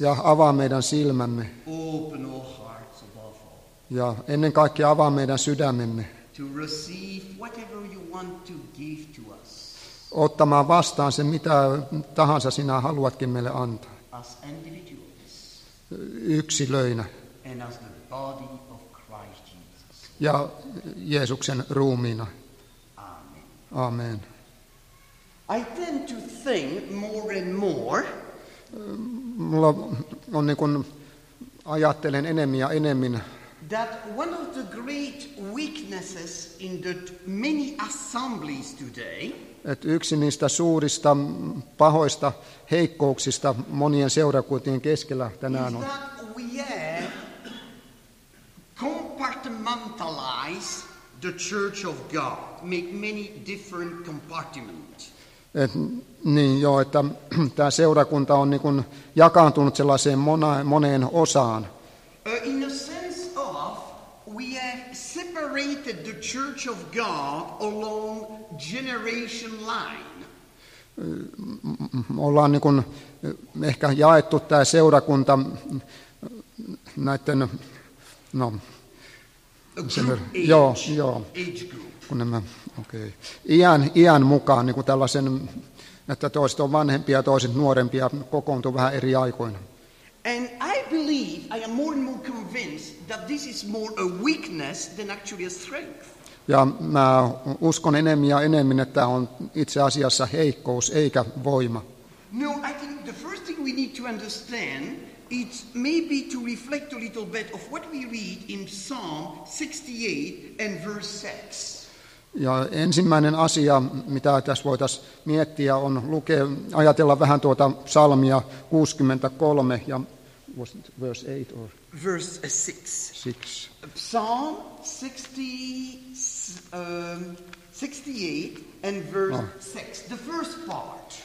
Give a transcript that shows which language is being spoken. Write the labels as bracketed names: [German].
[Finnish] Ja avaa meidän silmämme. [English] Open our hearts above all. [Finnish] Ja ennen kaikkea avaa meidän sydämemme. [English] To receive whatever you want to give to us. [Finnish] Ottamaan vastaan sen, mitä tahansa sinä haluatkin meille antaa. [English] As individuals. [Finnish] Yksilöinä. [English] And as the body of Christ Jesus. [Finnish] Ja Jeesuksen ruumiina. [English] Amen. [Finnish] Amen. [English] I tend to think more and more. [Finnish] Mulla on niin kuin, ajattelen enemmän ja enemmän. [English] That one of the great weaknesses in the many assemblies today. [Finnish] Et yksi niistä suurista pahoista heikkouksista monien seurakuntien keskellä tänään on. [English] Is that we have compartmentalized the Church of God, make many different compartments. [Finnish] Et, niin jo, että tämä seurakunta on niin kuin jakaantunut sellaiseen moneen osaan. [English] In a sense of, we have separated the Church of God along generation line. [Finnish] Ollaan niin kuin ehkä jaettu tämä seurakunta näiden, no, [English] joo. Age group. [Finnish] Kun nämä, okei. Iän mukaan, niin kuin tällaisen, että toiset on vanhempia, toiset nuorempia, kokoontuu vähän eri aikoina. [English] And I believe, I am more and more convinced that this is more a weakness than actually a strength. [Finnish] Ja mä uskon enemmän ja enemmän, että tämä on itse asiassa heikkous eikä voima. [English] No, I think the first thing we need to understand, it's maybe to reflect a little bit of what we read in Psalm 68 and verse 6. [Finnish] Ja ensimmäinen asia, mitä tässä voitaisiin miettiä, on ajatella vähän tuota psalmia 63 ja [English] was it verse 8 or verse 6. Psalm 68 and verse 6, the first part.